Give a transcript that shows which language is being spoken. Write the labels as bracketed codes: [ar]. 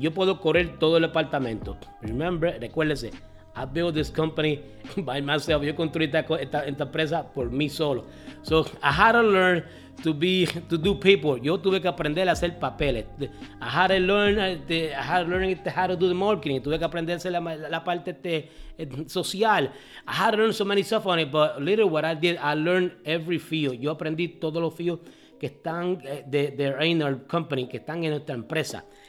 [es] Yo puedo correr todo el departamento. [en] Remember, [es] recuérdese, [en] I built this company by myself. [es] Yo construí esta empresa por mí solo. [en] So I had to learn to do paper. [es] Yo tuve que aprender a hacer papeles. [en] I had to learn how to do the marketing. [es] Tuve que aprender a hacer la parte social. [en] I had to learn so many stuff on it, but literally what I did, I learned every field. [es] Yo aprendí todos los fields que están there in our company, que están en nuestra empresa.